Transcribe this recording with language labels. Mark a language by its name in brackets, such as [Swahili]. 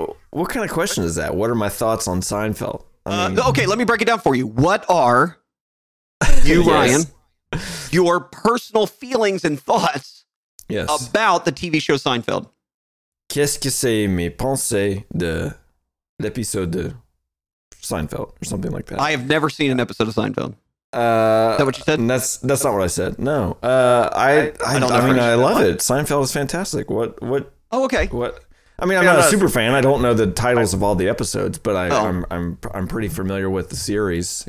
[English] What kind of question is that? What are my thoughts on Seinfeld? I mean, okay, let me break it down for you. What are you, yes. Ryan, your personal feelings and thoughts about the TV show Seinfeld? [French] Qu'est-ce que c'est mes pensées de l'épisode de Seinfeld [English] or something like that? I have never seen an episode of Seinfeld. Is that what you said? That's not what I said. No. I love it. Seinfeld is fantastic. What? Oh, okay. What? I mean, I'm not a super fan. I don't know the titles of all the episodes, but I'm pretty familiar with the series.